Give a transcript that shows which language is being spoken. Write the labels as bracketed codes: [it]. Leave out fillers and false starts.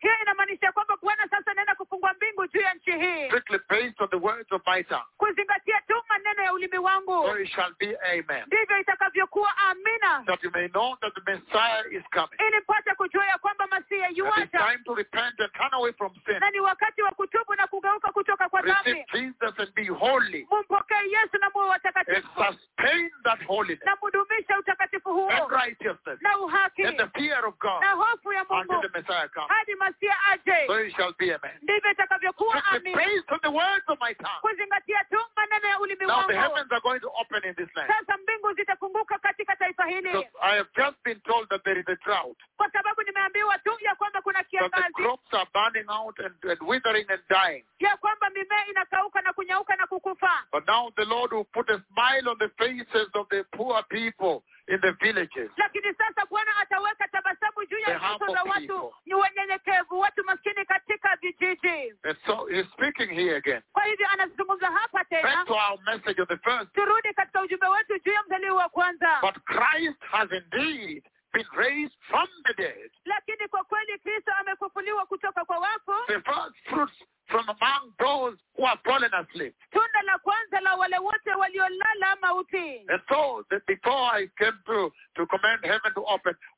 [sw] Hii inamaanisha kwamba Bwana sasa anaenda kufungua mbingu juu ya nchi hii. [en] Strictly based on the words of my tongue. [sw] Kuzingatia tu maneno ya ulimi wangu. [en] So it shall be. Amen. [sw] Ndivyo itakavyokuwa. Amina. [en] That you may know that the Messiah is coming. [sw] Ili mpate kujua ya kwamba Masiya yuaja. [en] It's time to repent and turn away from sin. [sw] Na ni wakati wa kutubu na kugeuka kutoka kwa dhambi. [en] Receive Jesus and be holy. [sw] Mumpokee Yesu na mwe watakatifu. [en] And sustain that holiness. [sw] Na mudumisha utakatifu huo. [en] And righteousness. [sw] Na uhaki. [en] And the fear of God. [sw] Na hofu ya Mungu. [en] Until the Messiah comes. [sw] Hadi Masiya aje. [en] So it shall be. Amen. [sw] Ndivyo itakavyokuwa. Amina. [en] Based on the words of my tongue. [sw] Kuzingatia tu maneno ya ulimi wangu. [en] Now the heavens are going to open in this land. [sw] Sasa mbingu zitafunguka katika taifa hili. [en] I have just been told that there is a drought. [sw] Kwa sababu nimeambiwa tu ya kwamba kuna kiangazi. [en] That the crops are burning out and withering and dying. [sw] Ya kwamba mimea inakauka na kunyauka na kukufa. [en] But now the Lord will put a smile on the faces of the poor people in the villages. [sw] Lakini sasa Bwana ataweka tabasamu juu ya uso za watu ni wanyenyekevu, watu maskini katika vijiji. [en] And so he's speaking here again. [sw] Kwa hivyo anazungumza hapa tena. [en] Back to our message of the first. [sw] Turudi katika ujumbe wetu juu ya mzaliwa wa kwanza. [en] But Christ has indeed been raised from the dead. [sw] Lakini kwa kweli Kristo amefufuliwa kutoka kwa wafu. [en] The first fruits from among those who have fallen asleep. [sw] Tunda la kwanza la wale wote waliolala mauti. [en] And so, before I came to command heaven to open,